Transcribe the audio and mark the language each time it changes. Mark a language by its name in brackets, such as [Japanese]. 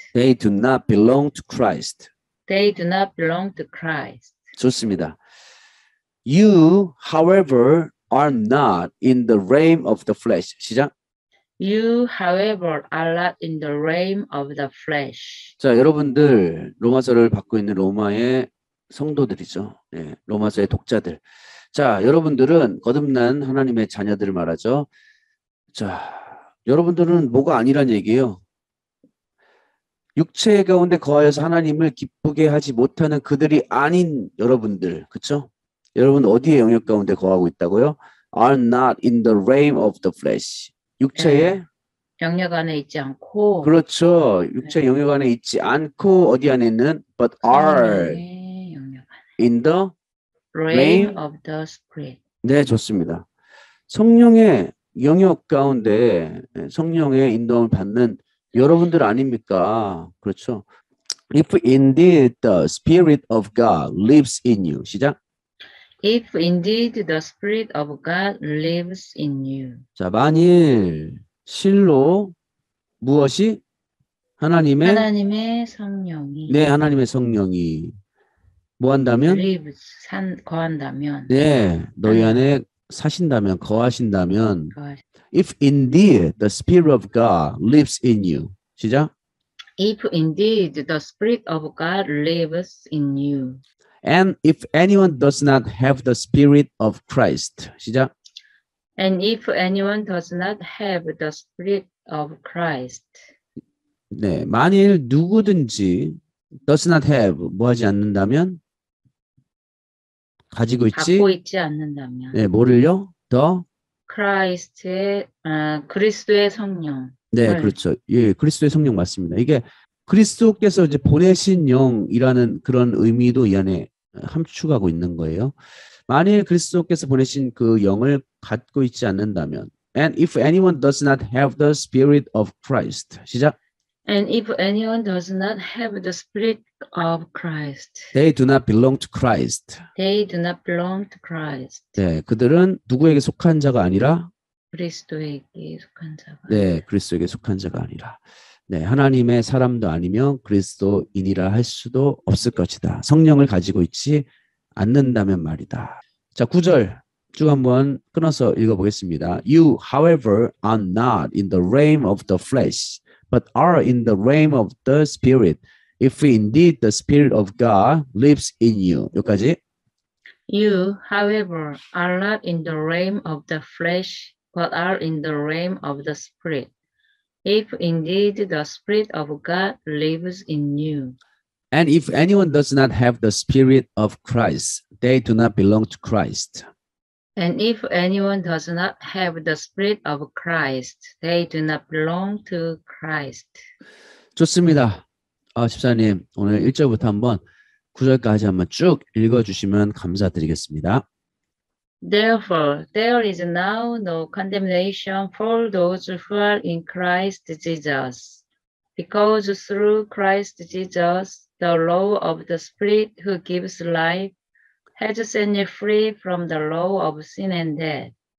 [English] They do not belong to Christ. They do not belong to Christ. [Korean] 좋습니다. [English] You, however, are not in the realm of the flesh. [Korean] 시작. [English] You, however, are not in the realm of the flesh. [Korean] 자, 여러분들 로마서를 받고 있는 로마의 성도들이죠. 예, 로마서의 독자들. 자, 여러분들은 거듭난 하나님의 자녀들을 말하죠. 자, 여러분들은 뭐가 아니란 얘기예요. 육체 가운데 거하여서 하나님을 기쁘게 하지 못하는 그들이 아닌 여러분들, 그렇죠? 여러분 어디의 영역 가운데 거하고 있다고요? [English] Are not in the realm of the flesh. [Korean] 육체의 영역 안에 있지 않고. 그렇죠. 육체 영역 안에 있지 않고 어디 안에 있는? [English] But are in the realm of the spirit. [Korean] 네, 좋습니다. 성령의 영역 가운데 성령의 인도함을 받는 여러분들 아닙니까? 그렇죠. [English] If indeed the Spirit of God lives in you. [Korean] 시작. [English] If indeed the Spirit of God lives in you. [Korean] 자, 만일 실로 무엇이? 하나님의? 하나님의 성령이. 네, 하나님의 성령이. 뭐 한다면? Lives, 산, 거한다면. 네, 너희 안에 사신다면, 거하신다면. [English] If indeed the Spirit of God lives in you. [Korean] 시작. [English] If indeed the Spirit of God lives in you. And if anyone does not have the Spirit of Christ. [Korean] 시작. [English] And if anyone does not have the Spirit of Christ. [Korean] 네, 만일 누구든지 [English] does not have, [Korean] 뭐 하지 않는다면? 가지고 있지? 갖고 있지 않는다면. 네, 뭐를요? The? 크라이스트의, 그리스도의 성령. 네, 그렇죠. 예, 그리스도의 성령 맞습니다. 이게 그리스도께서 이제 보내신 영이라는 그런 의미도 이 안에 함축하고 있는 거예요. 만일 그리스도께서 보내신 그 영을 갖고 있지 않는다면. [English] And if anyone does not have the Spirit of Christ. [Korean] 시작. [English] And if anyone does not have the spirit of Christ, they do not belong to Christ. They do not belong to Christ. [Korean] 네, 그들은 누구에게 속한 자가 아니라 그리스도에게 속한 자가. 네, 그리스도에게 속한 자가 아니라. 네, 하나님의 사람도 아니면 그리스도인이라 할 수도 없을 것이다. 성령을 가지고 있지 않는다면 말이다. 자, 9절 쭉 한번 끊어서 읽어 보겠습니다. [English] You, however, are not in the realm of the flesh. But are in the realm of the spirit, if indeed the spirit of God lives in you. [Korean] 여기까지. [English] You, however, are not in the realm of the flesh, but are in the realm of the spirit, if indeed the spirit of God lives in you. And if anyone does not have the spirit of Christ, they do not belong to Christ. And if anyone does not have the spirit of Christ, they do not belong to Christ. [Korean] 좋습니다. 아, 집사님, 오늘 1절부터 한번 9절까지 한번 쭉 읽어주시면 감사드리겠습니다. [English] Therefore, there is now no condemnation for those who are in Christ Jesus. Because through Christ Jesus, the law of the spirit who gives life has set me free from the law of sin and death.